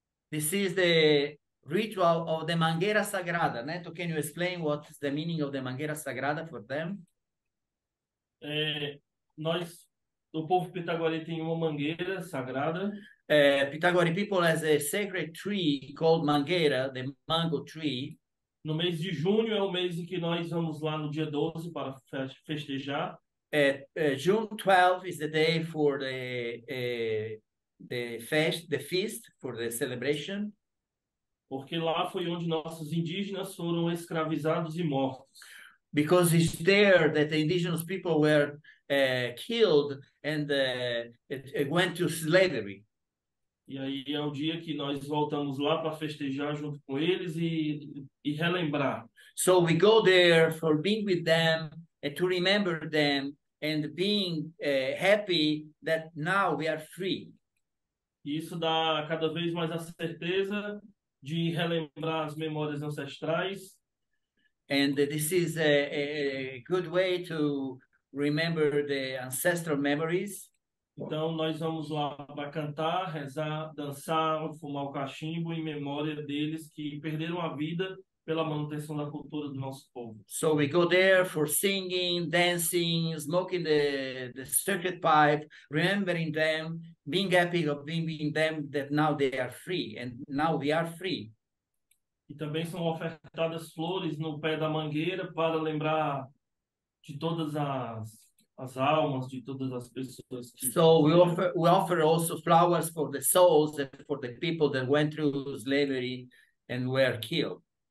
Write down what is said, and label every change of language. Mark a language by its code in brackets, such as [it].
[en] This is the ritual of the Mangueira Sagrada. Neto, can you explain what is the meaning of the Mangueira Sagrada for them? [pt] Nós, o povo Pitagori tem uma mangueira sagrada. [en] Pitagori people has a sacred tree called Mangueira, the mango tree. [pt] No mês de junho é o mês em que nós vamos lá no dia 12 para festejar. [en] June 12 is the day for the feast for the celebration. [pt] Porque lá foi onde nossos indígenas foram escravizados e mortos. [en] Because it's there that the indigenous people were killed and it went to slavery. [pt] E aí é o dia que nós voltamos lá para festejar junto com eles e relembrar. [en] So we go there for being with them and to remember them and being happy that now we are free. [pt] Isso dá cada vez mais a certeza de relembrar as memórias ancestrais. [en] And this is a good way to remember the ancestral memories. [pt] Então, nós vamos lá para cantar, rezar, dançar, fumar o cachimbo em memória deles que perderam a vida pela manutenção da cultura do nosso povo. [en] So we go there for singing, dancing, smoking the circuit pipe, remembering them, being happy of being them, that now they are free, and now we are free. [pt] E também são ofertadas flores no pé da mangueira para lembrar de todas as almas, de todas as pessoas. [en] So we offer also flowers for the souls, for the people that went through slavery and were killed.